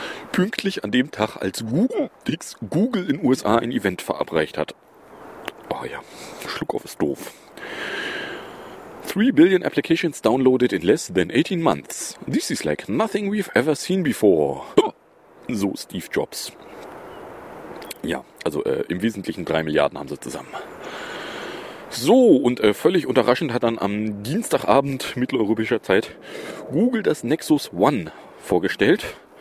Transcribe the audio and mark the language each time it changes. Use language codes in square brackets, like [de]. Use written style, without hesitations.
[de] Pünktlich an dem Tag, als Google in USA ein Event verabreicht hat. Oh ja, Schluck auf ist doof. [en] 3 billion applications downloaded in less than 18 months. This is like nothing we've ever seen before. [de] So Steve Jobs. Ja, also im Wesentlichen 3 Milliarden haben sie zusammen. So, und völlig überraschend hat dann am Dienstagabend mitteleuropäischer Zeit Google das Nexus One vorgestellt.